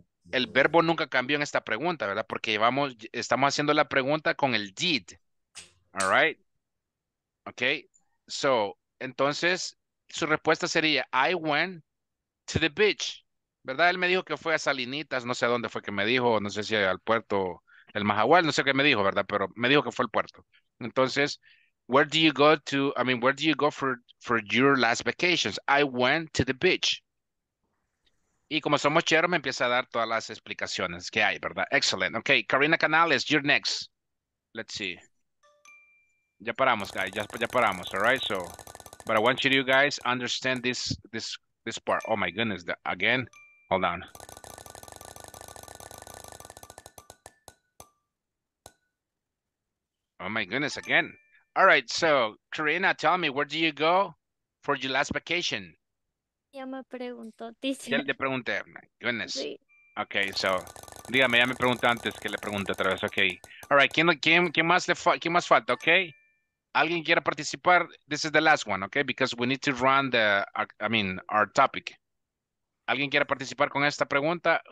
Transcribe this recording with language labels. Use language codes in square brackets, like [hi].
[es] El verbo nunca cambió en esta pregunta, ¿verdad? Porque estamos haciendo la pregunta con el did. [en] All right? Okay? So, [es] entonces, su respuesta sería, [en] I went to the beach. [es] ¿Verdad? Él me dijo que fue a Salinitas, no sé a dónde fue que me dijo, no sé si al puerto, el Mahahual, no sé qué me dijo, ¿verdad? Pero me dijo que fue al puerto. [en] Entonces, where do you go for your last vacations? I went to the beach. [es] Y como somos cheros, me empieza a dar todas las explicaciones que hay, ¿verdad? [en] Excellent. Okay, Karina Canales, you're next. Let's see. [es] Ya paramos, [en] guys. [es] Ya paramos, [en] all right? So, but I want you guys understand this part. Oh, my goodness. Again? Hold on. Oh, my goodness. Again? All right, so Karina, tell me, where do you go for your last vacation? [es] Ya me preguntó, dice. Ya le pregunté, [en] my goodness. [es] Sí. Okay, so, dígame, ya me preguntó antes que le pregunte otra vez, okay. [en] All right, [es] ¿quién más falta, [en] okay? [es] ¿Alguien quiera participar? [en] This is the last one, okay? Because we need to run our topic. [es] ¿Alguien quiera participar con esta pregunta?